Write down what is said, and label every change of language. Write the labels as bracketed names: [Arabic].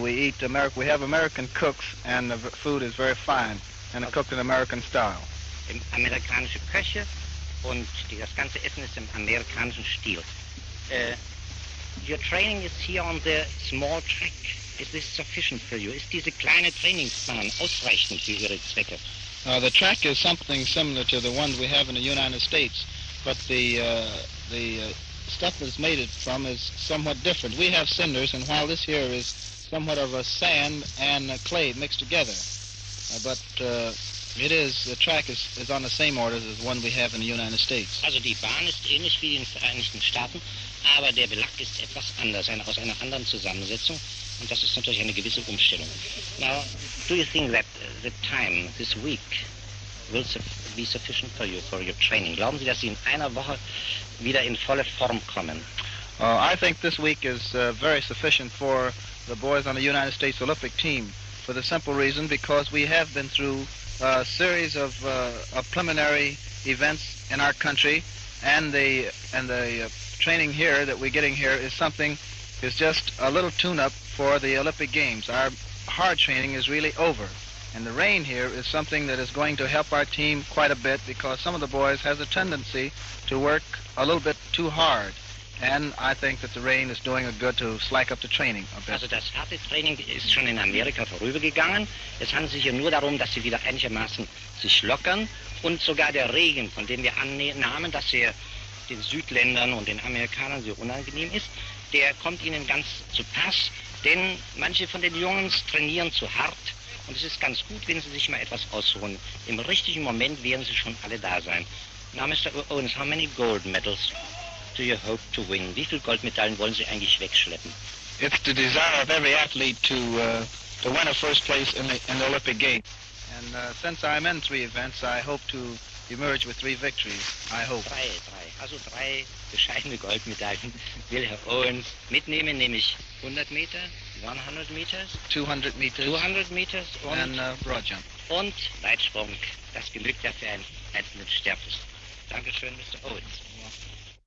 [English] We have American cooks, and the food is very fine, and it's cooked in American style. [German] Amerikanische Köche, und das ganze Essen ist im amerikanischen Stil. [English] Your training is here on the small track. Is this sufficient for you? [German] Is diese kleine Trainingsbahn ausreichend für Ihre Zwecke? [English] The track is something similar to the one we have in the United States, but the stuff that's made it from is somewhat different. We have cinders, and while this here is somewhat of a sand and a clay mixed together, the track is on the same orders as the one we have in the United States. [German] Also die Bahn ist ähnlich wie in den Vereinigten Staaten, aber der Belag ist etwas anders, aus einer anderen Zusammensetzung, und das ist natürlich eine gewisse Umstellung. [English] Now, do you think that the time this week will be sufficient for you for your training? [German] Glauben Sie, dass Sie in einer Woche wieder in volle Form kommen? [English] I think this week is very sufficient for the boys on the United States Olympic team, for the simple reason because we have been through a series of preliminary events in our country, and the training here that we're getting here is just a little tune-up for the Olympic Games. Our hard training is really over. And the rain here is something that is going to help our team quite a bit because some of the boys has a tendency to work a little bit too hard. And I think that the rain is doing a good to slack up the training a bit. [German] Also das harte Training ist schon in Amerika vorübergegangen. Es handelt sich hier nur darum, dass sie wieder einigermaßen sich lockern. Und sogar der Regen, von dem wir annahmen, dass er den Südländern und den Amerikanern sehr unangenehm ist, der kommt ihnen ganz zu Pass, denn manche von den Jungs trainieren zu hart. Und es ist ganz gut, wenn Sie sich mal etwas ausruhen. Im richtigen Moment werden Sie schon alle da sein. [English] Now, Mr. Owens, how many gold medals do you hope to win? [German] Wie viele Goldmedaillen wollen Sie eigentlich wegschleppen? [English] It's the desire of every athlete to win a first place in the Olympic Games. And since I'm in three events, I hope to emerge with three victories, I hope. [German] Drei. Also drei bescheidene Goldmedaillen will Herr Owens mitnehmen, nämlich 100 Meter. [English] 100 meters, 200 meters, 200 meters and broad jump. [German] Und Weitsprung. Das genügt ja für einen einzelnen Sterblichen. Dankeschön, Mr. Owens. Yeah.